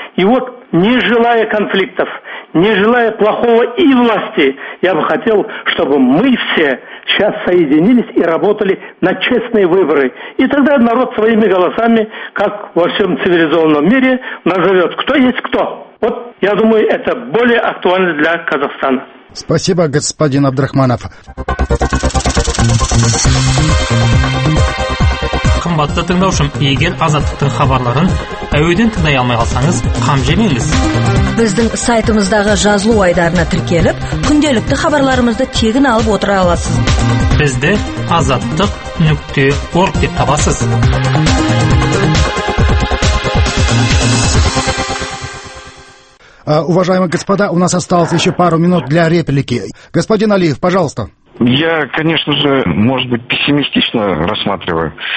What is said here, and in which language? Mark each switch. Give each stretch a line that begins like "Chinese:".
Russian: И вот, не желая конфликтов, не желая плохого и власти, я бы хотел, чтобы мы все сейчас соединились и работали на честные выборы. И тогда народ своими голосами, как во всем цивилизованном мире, назовет, кто есть кто. Вот, я думаю, это более актуально для Казахстана. Спасибо, господин Абдрахманов.
Kazakh: Қымбатты тыңдаушым, егер азаттықтың хабарларын әуеден тыңдай алмай қалсаңыз, қам жемеңіз. Біздің сайтымыздағы жазылу айдарына тіркеліп, күнделікті хабарларымызды тегін алып отыра аласыз. Бізді azattik.org деп табасыз.
Russian: Уважаемые господа, у нас осталось еще пару минут для реплики. Господин Алиев, пожалуйста. Я, конечно же, может быть, пессимистично рассматриваю.